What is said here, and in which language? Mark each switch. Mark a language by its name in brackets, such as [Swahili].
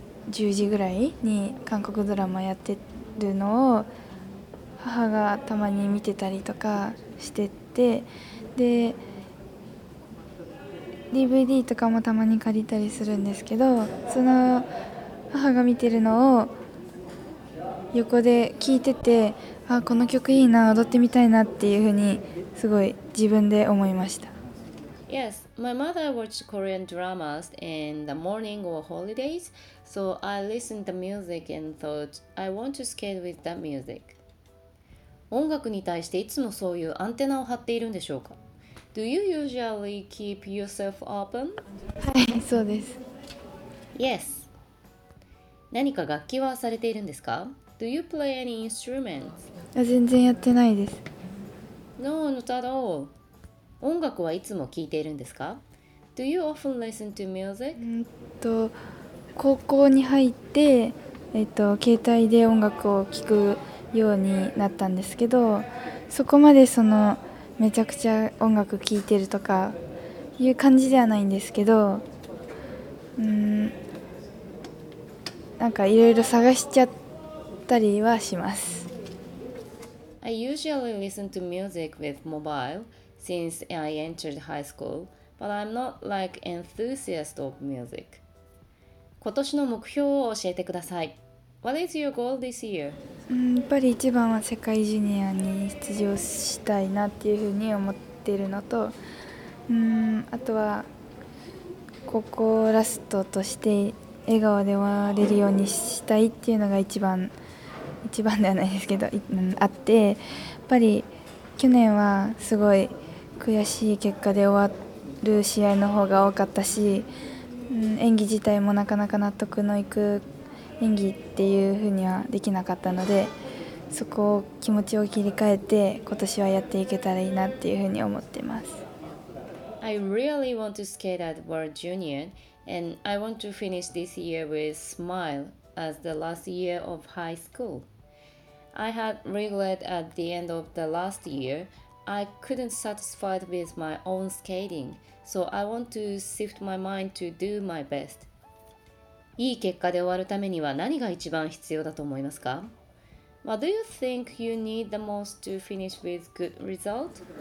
[Japanese] 10時ぐらいに韓国ドラマやってるのを母がたまに見てたりとかしてて、で DVD とかもたまに借りたりするんですけど、その母が見てるのを横で聞いてて、あ、この曲いいな、踊ってみたいなっていうふうにすごい自分で思いました。 [English] Yes, my mother watched Korean dramas in the morning or holidays, so I listened to the music and thought I want to skate with that music. [Japanese] 音楽に対していつもそういうアンテナを張っているんでしょうか? [English] Do you usually keep yourself open? [Japanese] はい、そうです。 [English] Yes. [Japanese] 何か楽器はされているんですか? [English] Do you play any instruments? [Japanese] 全然やってないです。 [English] No, not at all. [Japanese] 音楽はいつも聴いているんですか? [English] Do you often listen to music? [Japanese] 高校に入って、携帯で音楽を聴くようになったんですけど、そこまでそのめちゃくちゃ音楽聴いてるとかいう感じではないんですけど、なんかいろいろ探しちゃったりはします。 [English] I usually listen to music with mobile since I entered high school, but I'm not like enthusiast of music. [Japanese] 今年の目標を教えてください。 [English] What is your goal this year? [Japanese] やっぱり一番は世界ジュニアに出場したいなっていうふうに思っているのと、あとは高校ラストとして笑顔で終われるようにしたいっていうのが一番ではないですけど、あって、やっぱり去年はすごい悔しい結果で終わる試合の方が多かったし、演技自体もなかなか納得のいく演技っていうふうにはできなかったので、そこを気持ちを切り替えて今年はやっていけたらいいなっていうふうに思ってます。 [English] I really want to skate at World Junior and I want to finish this year with smile as the last year of high school. I had regret at the end of the last year. I couldn't satisfied with my own skating, so I want to shift my mind to do my best. [Japanese] いい結果で終わるためには何が一番必要だと思いますか? [English] What do you think you need the most to finish with good result?